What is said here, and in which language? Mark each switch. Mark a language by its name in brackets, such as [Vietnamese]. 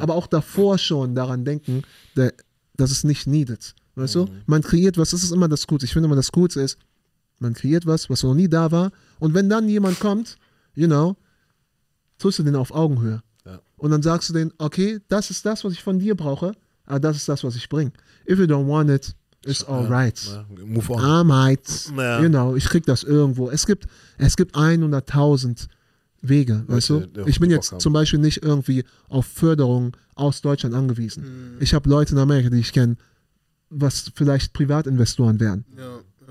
[German] Aber auch davor schon daran denken, dass es nicht needed. Weißt du? Man kreiert was, das ist immer das Gute. Ich finde immer das Gute ist, man kreiert was, was noch nie da war und wenn dann jemand kommt, [English] you know, [German] tust du den auf Augenhöhe. Ja. Und dann sagst du den, okay, das ist das, was ich von dir brauche, aber das ist das, was ich bringe. [English] If you don't want it, it's all right. [German] Ja, [English] move on. I'm right. [German] Ja. [English] You know, [German] ich krieg das irgendwo. Es gibt 100.000 Wege, weißt du? Ich bin jetzt zum Beispiel nicht irgendwie auf Förderung aus Deutschland angewiesen. Hm. Ich habe Leute in Amerika, die ich kenne, was vielleicht Privatinvestoren wären. Ja.